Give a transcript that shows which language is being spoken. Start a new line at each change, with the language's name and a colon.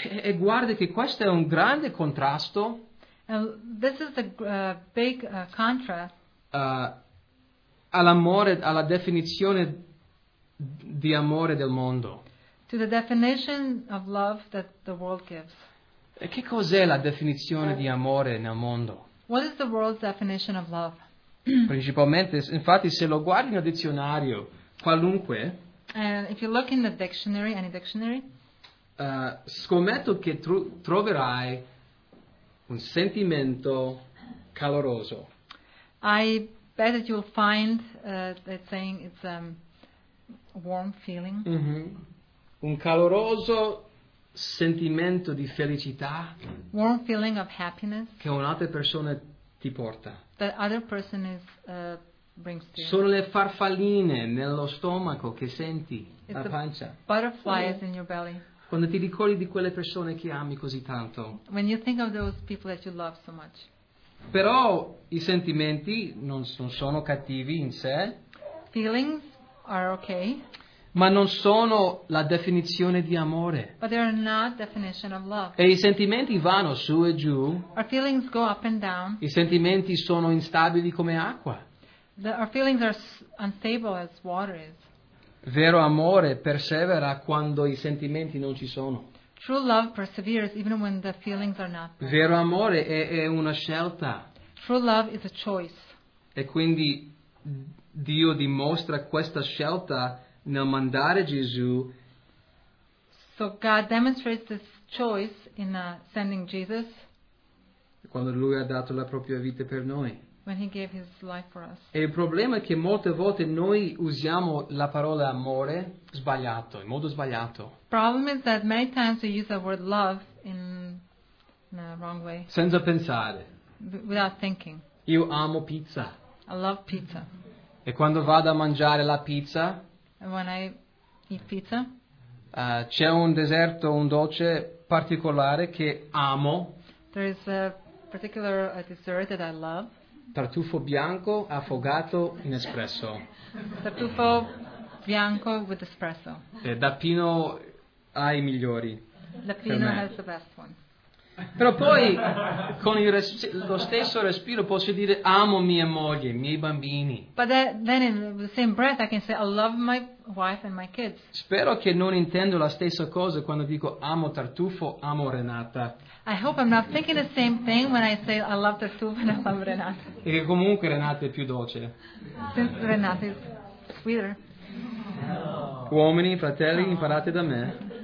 Italian: E guarda che questo è un grande contrasto.
English: And this is a big contrast.
Italian: All'amore, alla definizione di amore del mondo.
English: To the definition of love that the world gives.
Italian: E che cos'è la definizione di amore nel mondo?
English: What is the world's definition of love?
Italian: Principalmente, infatti, se lo guardi nel dizionario, qualunque.
English: And if you look in the dictionary, any dictionary.
Italian: Scommetto che troverai un sentimento caloroso.
English: I bet that you'll find that saying it's a warm feeling. Mm-hmm.
Italian: Un caloroso sentimento di felicità.
English: Warm feeling of happiness.
Italian: Che un'altra persona ti porta.
English: That other person is brings to you.
Italian: Sono le farfalline nello stomaco che senti, la pancia.
English: Butterflies in your belly.
Italian: Quando ti ricordi di quelle persone che ami così tanto.
English: When you think of those people that you love so much.
Italian: Però i sentimenti non sono cattivi in sé.
English: Feelings are okay.
Italian: Ma non sono la definizione di amore.
English: But they are not definition of love.
Italian: E i sentimenti vanno su e giù.
English: Our feelings go up and down.
Italian: I sentimenti sono instabili come acqua.
English: Our feelings are unstable as water is.
Italian: Vero amore persevera quando i sentimenti non ci sono.
English: True love perseveres even when the feelings are not.
Italian: Vero amore è una scelta.
English: True love is a choice.
Italian: E quindi Dio dimostra questa scelta nel mandare Gesù.
English: So God demonstrates this choice in sending Jesus.
Italian: Quando lui ha dato la propria vita per noi.
English: When he gave his life for us.
Italian: E il problema è che molte volte noi usiamo la parola amore sbagliato, in modo sbagliato.
English: Problem is that many times we use the word love in a wrong way.
Italian: Senza pensare.
English: Without thinking.
Italian: Io amo pizza.
English: I love pizza.
Italian: E quando vado a mangiare la pizza.
English: And when I eat pizza.
Italian: C'è un deserto, un dolce particolare che amo.
English: There is a particular dessert that I love.
Italian: Tartufo bianco affogato in espresso.
English: Tartufo bianco with espresso.
Italian: E da Pino ha i migliori.
English: Da Pino has the best one.
Italian: Però poi con lo stesso respiro posso dire amo mia moglie, i miei bambini.
English: But then in the same breath I can say I love my wife and my kids.
Italian: Spero che non intendo la stessa cosa quando dico amo Tartufo, amo Renata.
English: I hope I'm not thinking the same thing when I say I love Tartufo and I love Renata.
Italian: E che comunque Renata è più dolce.
English: Since Renata is sweeter.
Italian: Uomini, fratelli, imparate da me.